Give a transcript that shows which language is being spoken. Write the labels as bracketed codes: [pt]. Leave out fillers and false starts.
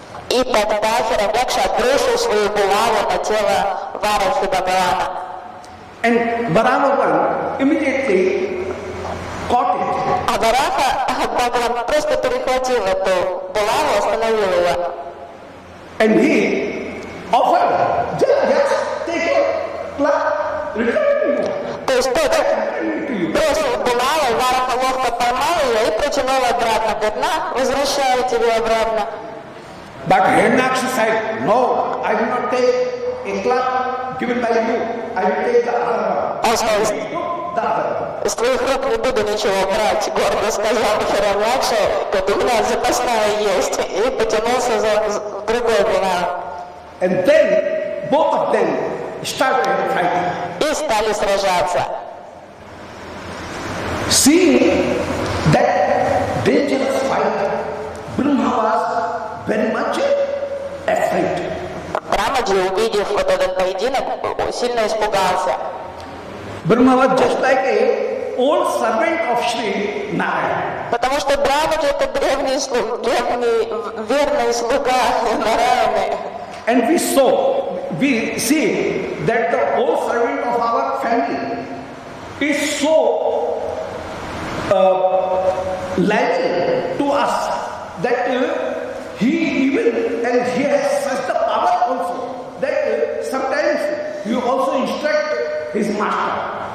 [ru] И тогда Хиравьякша отбросил свою булаву на тело Варахи Бхагавана. [en] And Varahadev immediately caught it. [ru] А Вараха Бхагаван просто перехватил эту булаву, остановил ее. [en] And he offered, just take your club, return it to you. [ru] Бросил булаву, Вараха ловко поймал ее и протянул обратно. Говорит, на, возвращаю тебе обратно. [en] But Hiranyaksha said, no, I will not take a club given by you. I will take the other one. Also, he took the other one. [ru] Из твоих рук не буду ничего брать, гордо сказал Хиранякша, говорит, у меня запасная есть. И потянулся за другой булаву. [en] And then both of them started fighting. [ru] И стали сражаться. [en] Seeing that dangerous fight, Brahma was very much afraid. [ru] Брамаджи, увидев вот этот поединок, сильно испугался. [en] Brahma was just like an old servant of Sri Narayana. [ru] Потому что Брамаджи это древний слуга, древний верный слуга Нараяны. [en] And we see that the old servant of our family is so lying to us that he has such the power also that sometimes you also instruct his master.